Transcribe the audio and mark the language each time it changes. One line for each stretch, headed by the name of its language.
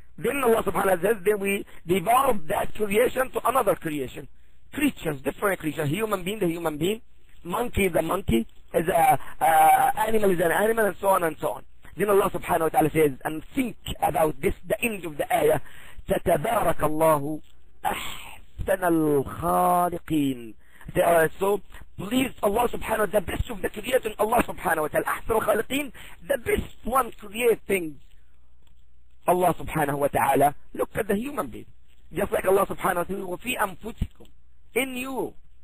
English: Then Allah subhanahu wa ta'ala says, then we devolve that creation to another creation. Creatures, different creatures. Human being, the human being. Monkey, the monkey. Is a animal, is an animal, and so on and so on. Then Allah subhanahu wa ta'ala says, and think about this, the end of the ayah.
Arabic: تتبارك الله أحسن الخالقين.
English: So, please, Allah subhanahu wa ta'ala, the best of the creation, Allah subhanahu wa ta'ala,
Arabic: أحسن الخالقين,
English: the best one creating. Allah subhanahu wa ta'ala, look at the human being. Just like Allah subhanahu wa ta'ala,
Arabic: وفي أنفسكم,
English: in you.